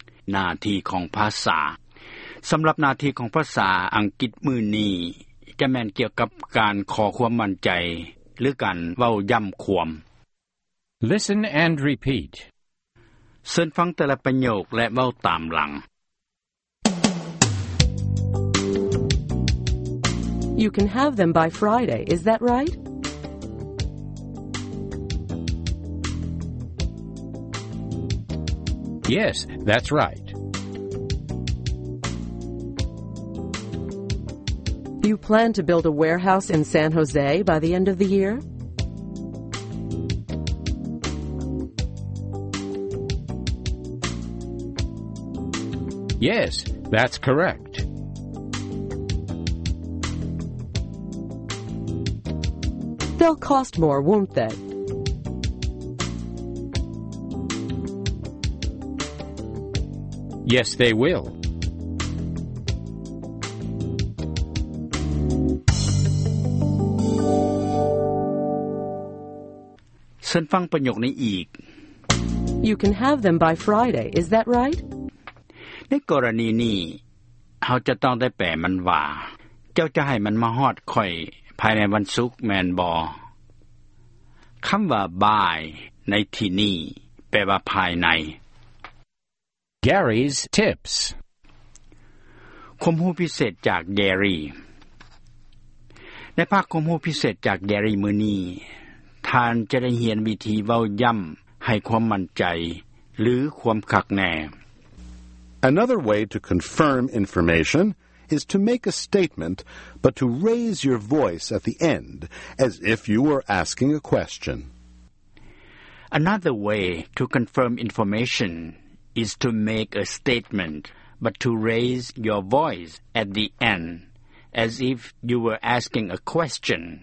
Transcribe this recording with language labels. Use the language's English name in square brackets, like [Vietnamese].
[Northeastern Thai] หน้าที่ของภาษาสำหรับหน้าที่ของภาษาอังกฤษมื้อนี้จะแม่นเกี่ยวกับการขอความมั่นใจหรือการเว้าย้ำความ [English] Listen and repeat. [Northeastern Thai] เสริญฟังแต่ละประโยคและเว้าตามหลัง [English] You can have them by Friday, is that right? Yes, that's right. You plan to build a warehouse in San Jose by the end of the year? Yes, that's correct. They'll cost more, won't they? Yes, they will. [Northeastern Thai] เชิญฟังประโยคนี้อีก [English] You can have them by Friday, is that right? [Northeastern Thai] ในกรณีนี้เขาจะต้องได้แปลมันว่าเจ้าจะให้มันมาฮอดข่อยภายในวันศุกร์แมนบอคำว่า by ในที่นี้แปลว่าภายใน [English] Gary's tips. [Northeastern Thai] ความรู้พิเศษจาก Gary. ในภาคความรู้พิเศษจาก Gary มื้อนี้ท่านจะได้เรียนวิธีเว้าย้ำให้ความมั่นใจหรือความคักแน่ [English] Another way to confirm information is to make a statement, but to raise your voice at the end as if you were asking a question. Another way to confirm informationis to make a statement, but to raise your voice at the end, as if you were asking a question.